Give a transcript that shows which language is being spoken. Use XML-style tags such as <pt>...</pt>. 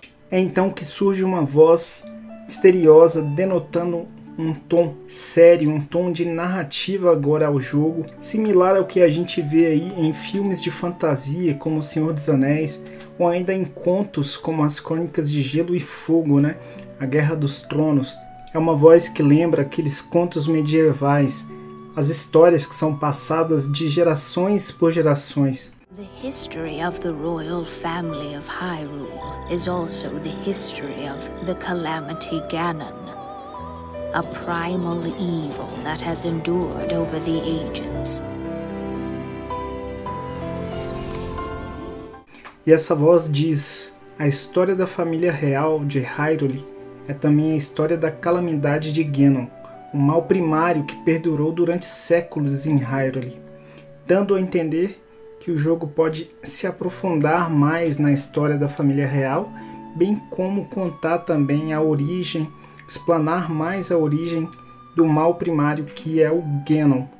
<pt>É então que surge uma voz misteriosa denotando um tom sério, um tom de narrativa agora ao jogo, similar ao que a gente vê aí em filmes de fantasia como O Senhor dos Anéis, ou ainda em contos como As Crônicas de Gelo e Fogo, né? A Guerra dos Tronos. É uma voz que lembra aqueles contos medievais, as histórias que são passadas de gerações por gerações.</pt> <en>The history of the royal family of Hyrule is also the history of the Calamity Ganon, a primal evil that has endured over the ages.</en> <pt>E essa voz diz: a história da família real de Hyrule é também a história da calamidade de Ganon, o mal primário que perdurou durante séculos em Hyrule, dando a entender que o jogo pode se aprofundar mais na história da família real, bem como contar também a origem, explanar mais a origem do mal primário que é o Ganon.</pt>